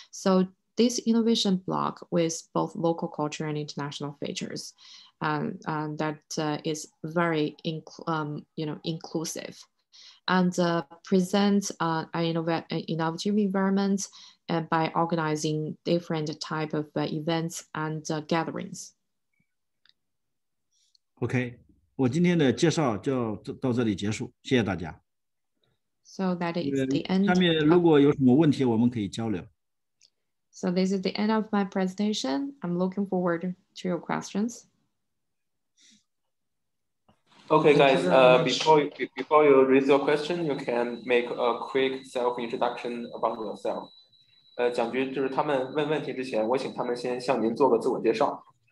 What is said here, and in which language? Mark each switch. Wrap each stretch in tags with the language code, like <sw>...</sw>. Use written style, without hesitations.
<en>So this innovation block with both local culture and international features that is very inclusive. And present an innovative environment by organizing different type of events and gatherings.</en> <zh>Okay, 我今天的介绍就到这里结束，谢谢大家。</zh> <en>So that is the end.</en> <zh>下面如果有什么问题，我们可以交流。</zh> <en>So this is the end of my presentation. I'm looking forward to your questions. Okay, guys, before you raise your question, you can make a quick self-introduction about yourself.</en> <zh>蒋军就是他们问问题之前，我请他们先向您做个自我介绍。</zh>